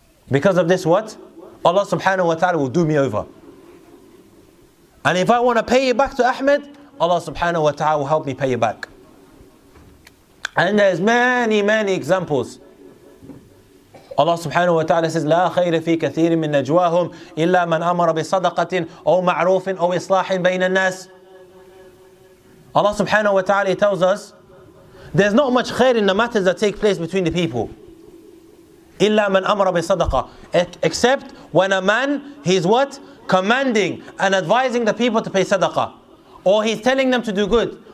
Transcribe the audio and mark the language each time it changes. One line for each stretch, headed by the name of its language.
English: Because of this, what? Allah subhanahu wa ta'ala will do me over. And if I want to pay it back to Ahmed, Allah subhanahu wa ta'ala will help me pay it back. And there's many, many examples. Allah subhanahu wa ta'ala says,
Arabic: لا خير في كثير من نجواهم إلا من أمر بصدقة أو معروف أو إصلاح بين الناس.
English: Allah subhanahu wa ta'ala tells us, there's not much khair in the matters that take place between the people.
Arabic: إلا من أمر بصدقة.
English: Except when a man, he's what? Commanding and advising the people to pay sadaqah. Or he's telling them to do good.